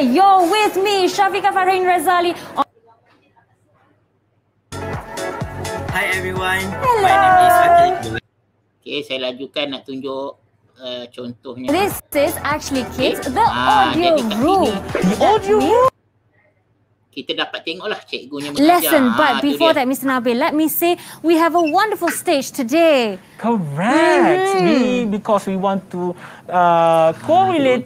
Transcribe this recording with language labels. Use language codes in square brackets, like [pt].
[en] You're with me, Syafiqah Farhin Razali. Hi everyone. Hello. My name is [ms] Akhil. Okay, saya lajukan nak tunjuk contohnya. [en] This is actually kids, the audio room. The audio room. [ms] Kita dapat tengoklah cikgunya mengajar. [en] Lesson, but ha, before that, Mr. Nabil, let me say we have a wonderful stage today. Correct. Mm-hmm. We, because we want to correlate